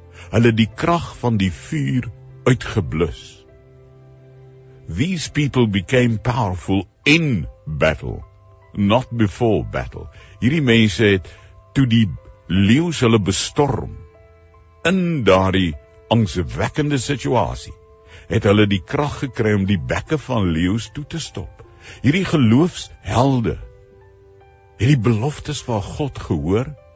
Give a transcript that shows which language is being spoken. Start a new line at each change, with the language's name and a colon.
Afrikaans: Hulle die krag van die vuur uitgeblus.
English: These people became powerful in battle, not before battle.
Afrikaans: Hierdie mense het, toe die leeuws hulle bestorm, in daardie angswekkende situasie, het hulle die krag gekry om die bekke van leeuws toe te stop. Hierdie geloofshelde het die beloftes van God gehoor.